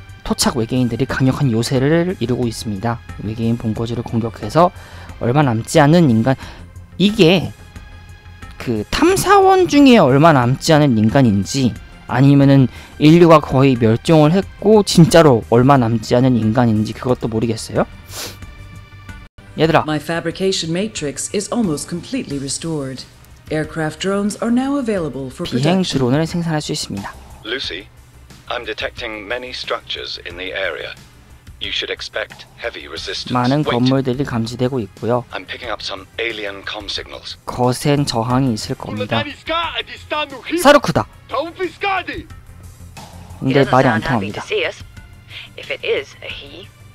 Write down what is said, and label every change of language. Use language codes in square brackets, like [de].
[ko] 토착 외계인들이 강력한 요새를 이루고 있습니다. 외계인 본거지를 공격해서 얼마 남지 않은 인간 이게 그 탐사원 중에 얼마 남지 않은 인간인지 아니면은 인류가 거의 멸종을 했고 진짜로 얼마 남지 않은 인간인지 그것도 모르겠어요. 얘들아. [en] My fabrication matrix is almost completely restored. Aircraft drones are now available for production. [ko] 비행 드론을 생산할 수 있습니다. [en] Lucy, I'm detecting many structures in the area. You should expect heavy resistance. [ko] 많은 건물들이 감지되고 있고요. [en] I'm picking up some alien comm signals. [ko] 거센 저항이 있을 겁니다. 사루크다. 근데 말이 안 통합니다. [en] If it is a he.